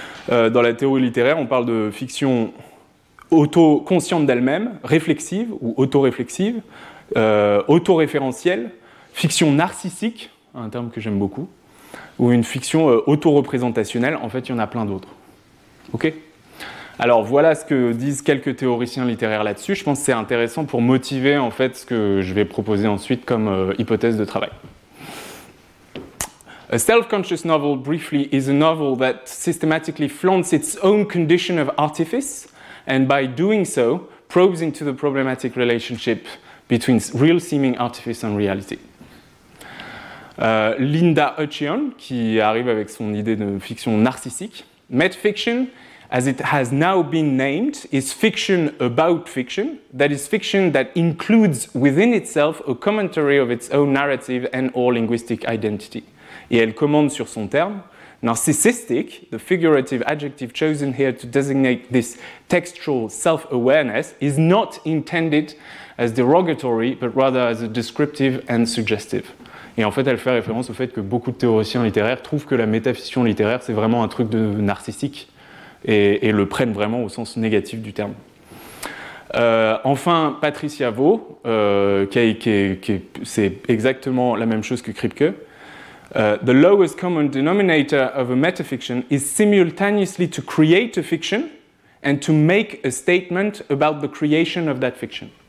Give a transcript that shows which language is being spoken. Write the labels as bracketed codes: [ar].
[fr] Dans la théorie littéraire, on parle de fiction auto-consciente d'elle-même, réflexive ou auto-réflexive, auto-référentielle, fiction narcissique, un terme que j'aime beaucoup, ou une fiction auto-représentationnelle, en fait il y en a plein d'autres. Ok ? Alors voilà ce que disent quelques théoriciens littéraires là-dessus, je pense que c'est intéressant pour motiver en fait ce que je vais proposer ensuite comme hypothèse de travail. [en] A self-conscious novel, briefly, is a novel that systematically flaunts its own condition of artifice, and by doing so, probes into the problematic relationship between real-seeming artifice and reality. Linda Hutcheon, [fr] qui arrive avec son idée de fiction narcissique, [en] metafiction, as it has now been named, is fiction about fiction, that is fiction that includes within itself a commentary of its own narrative and or linguistic identity. [fr] Et elle commande sur son terme, [en] narcissistic, the figurative adjective chosen here to designate this textual self-awareness, is not intended as derogatory, but rather as a descriptive and suggestive. [fr] Et en fait, elle fait référence au fait que beaucoup de théoriciens littéraires trouvent que la métafiction littéraire, c'est vraiment un truc de narcissique, et le prennent vraiment au sens négatif du terme. Enfin, Patricia Vaux, c'est exactement la même chose que Kripke, [en] the lowest common denominator of a metafiction is simultaneously to create a fiction and to make a statement about the creation of that fiction.